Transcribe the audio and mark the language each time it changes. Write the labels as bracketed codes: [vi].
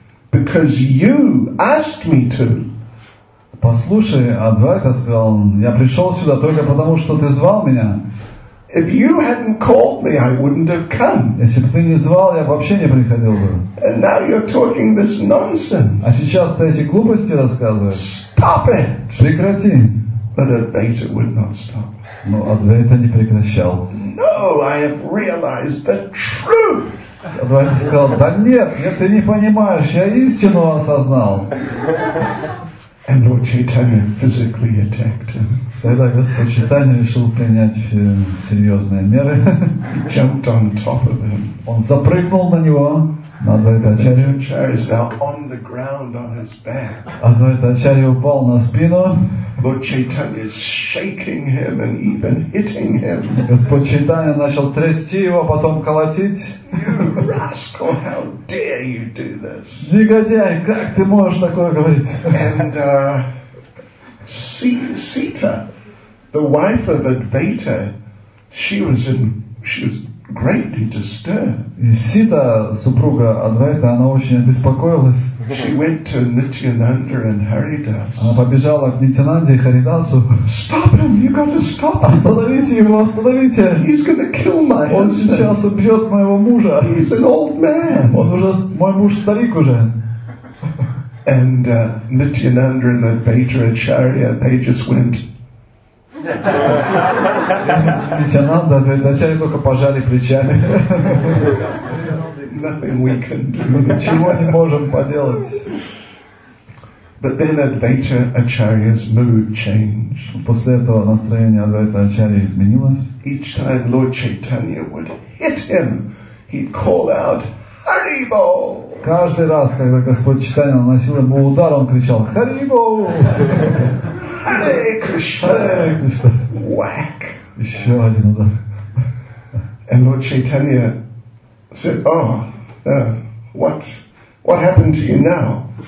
[en] Because you asked me to. [ru] Послушай, Адвайта сказал, я пришел сюда только потому, что ты звал меня. [en] If you hadn't called me, I wouldn't have come. [ru] Если бы ты не звал, я вообще не приходил бы. [en] And now you're talking this nonsense. [ru] А сейчас ты эти глупости рассказываешь. [en] Stop it! [ru] Прекрати. [en] But Advaita would not stop. [ru] Но Адвайта не прекращал. [en] No, I have realized the truth. [ru] Адвайта сказал, да нет, нет, ты не понимаешь, я истину осознал. [en] And Lord Chaitanya physically attacked him. [ru] Тогда Господь Чайтанья решил принять серьезные меры. [en] Jumped on top of him. [ru] Он запрыгнул на него. Адвайта [en] Ачарья is now on the ground on his back. [ru] Адвайта Ачарья упал на спину. [en] Lord Chaitanya is shaking him and even hitting him. [ru] Господь Чайтанья начал трясти его, потом колотить. [en] You rascal, how dare you do this? [ru] Негодяй, как ты можешь такое говорить? [en] And Sita, the wife of Advaita, she was greatly disturbed. [ru] Сита, супруга Адвайта, она очень обеспокоилась. [en] She went to Nityananda and Haridas. [ru] Она побежала к Нитянанде и Харидасу. [en] Stop him! You got to stop him! [ru] Остановите его, остановите! [en] He's going to kill my husband. [ru] Он сейчас убьет моего мужа. [en] He's an old man. [ru] Он уже мой муж старик уже. [en] And Nityananda and the Advaita Acharya, they just went. [ru] Nityananda and Advaita Acharya только пожали плечами. [en] Nothing we can do. [ru] Ничего не можем поделать. [en] But then Advaita Acharya's mood changed. [ru] После этого настроение Advaita Acharya изменилось. [en] Each time Lord Chaitanya would hit him, he'd call out, Haribol! [ru] Каждый раз, когда Господь Чайтанья наносил ему удар, он кричал «Харибол!» «Харе Кришна!» «Вак!» Еще один удар. [en] And Lord Chaitanya said, «Oh, what happened to you now?»